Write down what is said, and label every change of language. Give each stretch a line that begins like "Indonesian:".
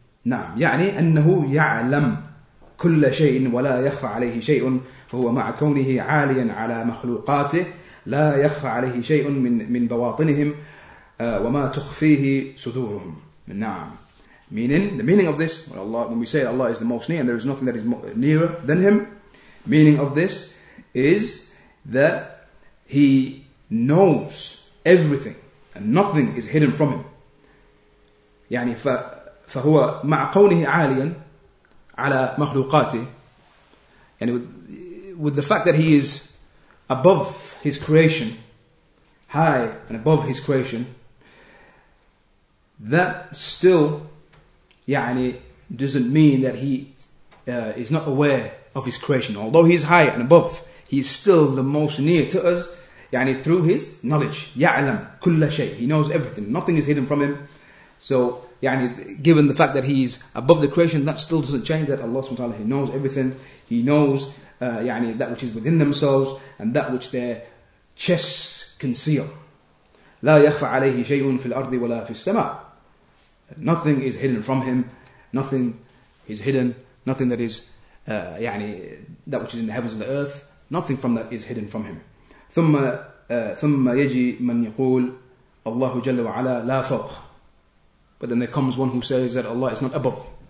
Arabic: نعم, يعني أنه يعلم كل شيء ولا يخفى عليه شيء, فهو مع كونه عاليا على مخلوقاته لا يخفى عليه شيء من بواطنهم وما تخفيه صدورهم.
English: نعم, meaning the meaning of this, when we say Allah is the most near and there is nothing that is nearer than him, meaning of this is that he knows everything and nothing is hidden from him.
Arabic: يعني فهو مع قوله عاليا على مخلوقاته,
English: يعني with the fact that he is above his creation, high and above his creation, that still يعني doesn't mean that he is not aware of his creation. Although he is high and above, he is still the most near to us, yani through his knowledge.
Arabic: يَعْلَمْ كُلَّ شَيْءٍ,
English: he knows everything. Nothing is hidden from him. So, يعني, given the fact that he's above the creation, that still doesn't change that Allah subhanahu wa ta'ala, he knows everything. He knows يعني, that which is within themselves and that which their chests conceal.
Arabic: لا يخفى عليه شيء في الأرض ولا في السماء.
English: Nothing is hidden from him. Nothing is hidden. Nothing that is يعني, that which is in the heavens and the earth. Nothing from that is hidden from him.
Arabic: ثم يجي من يقول الله جل وعلا لا فوق.
English: But then there comes one who says that Allah is not above.